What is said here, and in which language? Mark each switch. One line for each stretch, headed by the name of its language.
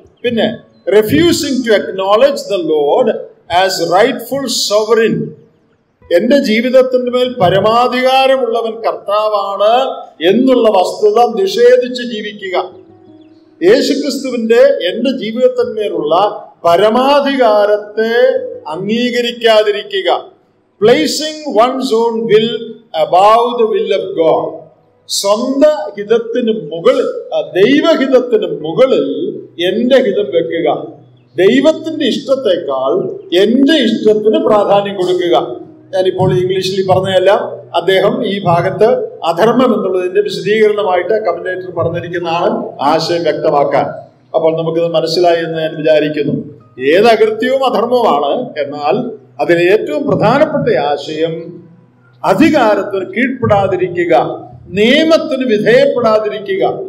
Malayalam: പിന്നെ
English: refusing to acknowledge the Lord as rightful sovereign,
Malayalam: എന്റെ ജീവിതത്തിന്റെ മേൽ പരമാധികാരമുള്ളവൻ കർത്താവാണ് എന്നുള്ള വസ്തുത നിഷേധിച്ച് ജീവിക്കുക. യേശുക്രിസ്തുവിന്റെ എന്റെ ജീവിതത്തിന്മേലുള്ള പരമാധികാരത്തെ അംഗീകരിക്കാതിരിക്കുക.
English: Placing one's own will above the will of God,
Malayalam: സ്വന്തം ഹിതത്തിന് മുകളിൽ, ദൈവഹിതത്തിന് മുകളിൽ എന്റെ ഹിതം വെക്കുക. ദൈവത്തിന്റെ ഇഷ്ടത്തെക്കാൾ എന്റെ ഇഷ്ടത്തിന് പ്രാധാന്യം കൊടുക്കുക. ഞാനിപ്പോൾ ഇംഗ്ലീഷിൽ പറഞ്ഞതല്ല, അദ്ദേഹം ഈ ഭാഗത്ത് അധർമ്മം എന്നുള്ളതിന്റെ വിശദീകരണമായിട്ട് കമന്റേറ്റർ പറഞ്ഞിരിക്കുന്നതാണ് ആശയം വ്യക്തമാക്കാൻ. അപ്പോൾ നമുക്കിത് മനസ്സിലായി എന്ന് ഞാൻ വിചാരിക്കുന്നു. ഏത് അകൃത്യവും അധർമ്മമാണ്, എന്നാൽ അതിൽ ഏറ്റവും പ്രധാനപ്പെട്ട ആശയം അധികാരത്തിന് കീഴ്പ്പെടാതിരിക്കുക, നിയമത്തിന് വിധേയപ്പെടാതിരിക്കുക.